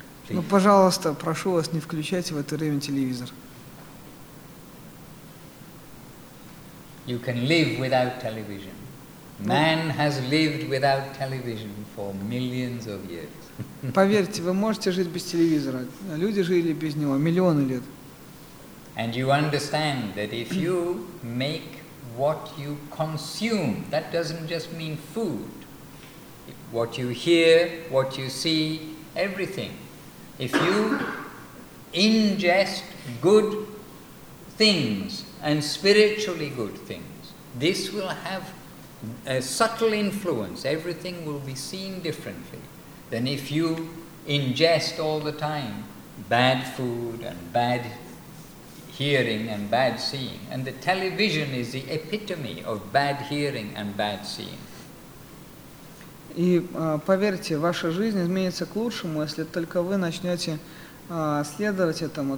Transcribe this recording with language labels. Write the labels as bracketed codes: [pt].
[ru] Ну, пожалуйста, прошу вас, не включайте в это время телевизор. [en] You can live without television. Man has lived without television for millions of years. [ru] Поверьте, вы можете жить без телевизора. Люди жили без него миллионы лет. [en] And you understand that if you make what you consume, that doesn't just mean food. What you hear, what you see, everything. If you ingest good things and spiritually good things, this will have a subtle influence. Everything will be seen differently than if you ingest all the time bad food and bad hearing and bad seeing. And the television is the epitome of bad hearing and bad seeing. [ru] И поверьте, ваша жизнь изменится к лучшему, если только вы начнете следовать этому.